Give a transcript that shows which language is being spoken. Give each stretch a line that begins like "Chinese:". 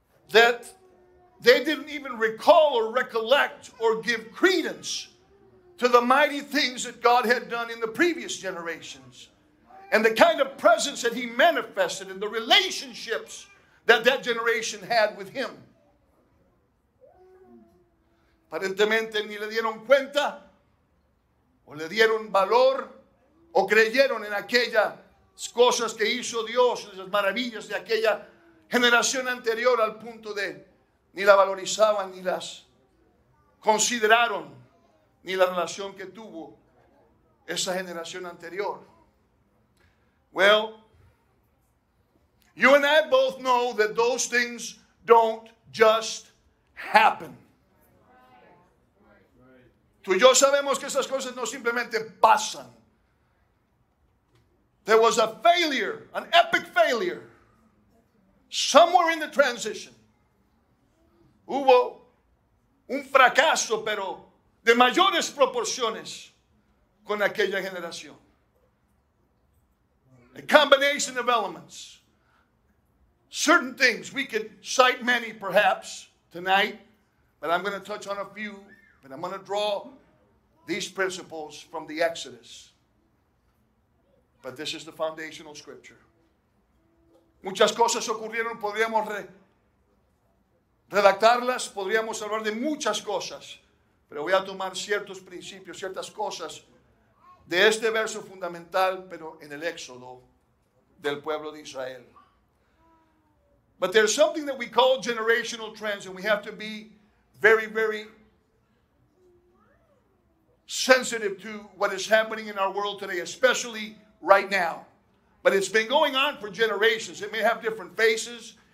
English: That they didn't even recall or recollect or give credence to the mighty things that God had done in the previous generations. And the kind of presence that he manifested and the relationships that that generation had with him.
Spanish: Aparentemente ni le dieron cuenta o le dieron valor o creyeron en aquellas cosas que hizo Dios, esas maravillas de aquella generación anterior al punto de ni la valorizaban ni las consideraron ni la relación que tuvo esa generación anterior.
English: Well, you and I both know that those things don't just happen.
Spanish: Tú y yo sabemos que esas cosas no simplemente pasan.
English: There was a failure, an epic failure, somewhere in the transition.
Spanish: Hubo un fracaso, pero de mayores proporciones con aquella generación.
English: A combination of elements. Certain things, we could cite many perhaps tonight, but I'm going to touch on a few, but I'm going to draw these principles from the Exodus. But this is the foundational scripture.
Spanish: Muchas cosas ocurrieron, podríamos redactarlas, podríamos hablar de muchas cosas, pero voy a tomar ciertos principios, ciertas cosas de este verso fundamental, pero en el Éxodo del pueblo de Israel.
English: But there's something that we call generational trends, and we have to be very, very sensitive to what is happening in our world today, especially right now. But it's been going on for generations. It may have different faces.